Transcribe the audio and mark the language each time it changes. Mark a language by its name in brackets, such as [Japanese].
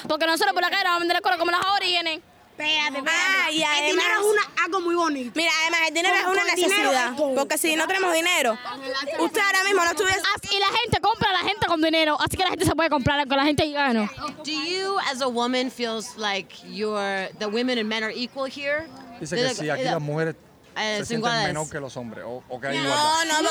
[Spanish] Porque nosotros por la calle vamos a vender el coro como las orígenes. Espérate. El dinero es algo muy bonito. Mira, además, el dinero es una necesidad. Porque si no tenemos dinero, usted ahora mismo no estuviese... Y la gente compra a la gente con dinero. Así que la gente se puede comprar con la gente y gano. [English] Do you, as a woman, feels like the women and men are equal here? [Spanish] Dice que sí, aquí las mujeres se sienten menos que los hombres o que hay igualdad.